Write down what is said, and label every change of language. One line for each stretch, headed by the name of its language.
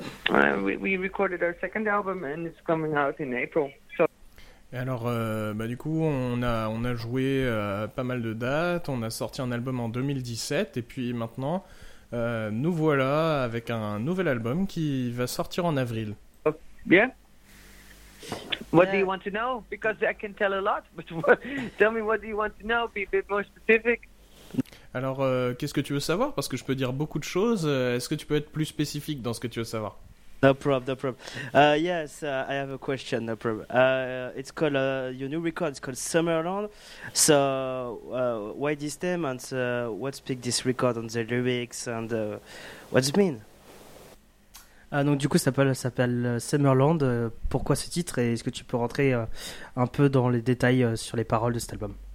English: We recorded our second album, and it's coming out in April. So.
French: Et alors, du coup, on a joué pas mal de dates. On a sorti un album en 2017, et puis maintenant, nous voilà avec un nouvel album qui va sortir en avril.
English: Oh, yeah. What do you want to know? Because I can tell a lot, but tell me what do you want to know? Be a bit more specific.
French: Alors, qu'est-ce que tu veux savoir? Parce que je peux dire beaucoup de choses. Est-ce que tu peux être plus spécifique dans ce que tu veux savoir?
English: No problem. I have a question. No problem. It's called your new record. It's called Summerland. So, why this name and what speak this record on the lyrics and what's it mean?
French: Ah donc du coup ça s'appelle Summerland. Pourquoi ce titre et est-ce que tu peux rentrer un peu dans les détails sur les paroles de cet album?